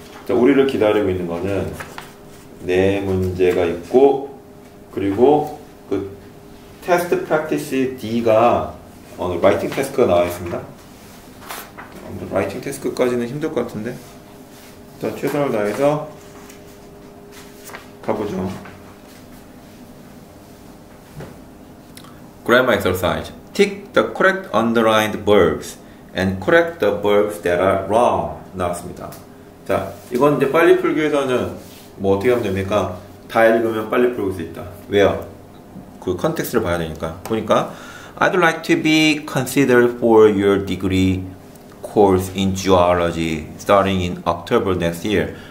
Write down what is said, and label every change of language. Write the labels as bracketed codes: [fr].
[ko] 자, 우리를 기다리고 있는 거는 네 문제가 있고 그리고 그 테스트 프랙티스 D가 오늘 라이팅 테스크가 나와 있습니다. 라이팅 테스크까지는 힘들 것 같은데. 자, 최선을 다해서 가보죠. [en] Grammar exercise. Tick the correct underlined verbs and correct the verbs that are wrong. [ko] 나왔습니다. 자, 이건 이제 빨리 풀기 위해서는 뭐 어떻게 하면 됩니까? 다 읽으면 빨리 풀 수 있다. 왜요? 그 컨텍스트를 봐야 되니까. 보니까 [en] I'd like to be considered for your degree course in geology starting in October next year.